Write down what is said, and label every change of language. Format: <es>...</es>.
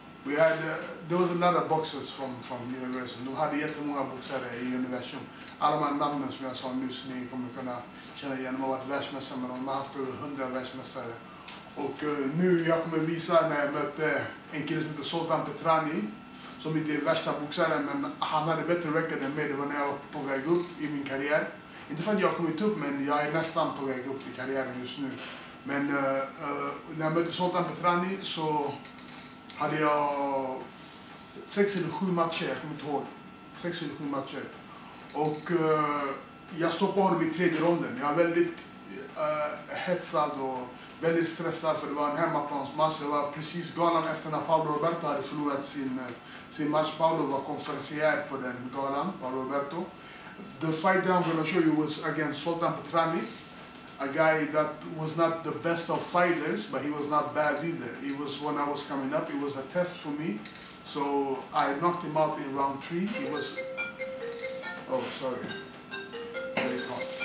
<en>We had, there was a lot of boxers from Universal. We had</en> <sv>jättemånga boxare I Universum. Alla de här namnen som jag sa nyss, ni kommer kunna känna igen. De har varit världsmässare med dem. De har haft över 100 världsmässare. Och nu, jag kommer visa när jag mötte en kille som heter Zoltan Petrani. Som inte är värsta boxaren, men han hade bättre record än mig. Det var när jag var på väg upp I min karriär. Inte för att jag har kommit upp, men jag är nästan på väg upp I karriären just nu. Men när jag mötte Zoltan Petrani så hade jag 6 eller 7 matcher, jag kommer inte ihåg. 6 eller 7 matcher. Och jag stoppade honom I tredje ronden. Jag var väldigt hetsad och väldigt stressad för det var en hemmaplansmatch. Det var precis galan efter när Paolo Roberto hade förlorat sin match. Paolo var konferensiär på den galan, Paolo Roberto.</sv> <en>The fight that I'm going to show you was against Zoltan Petrani. A guy that was not the best of fighters, but he was not bad either. He was when I was coming up, it was a test for me. So I knocked him out in round 3. He was, oh, sorry, very hot.</en>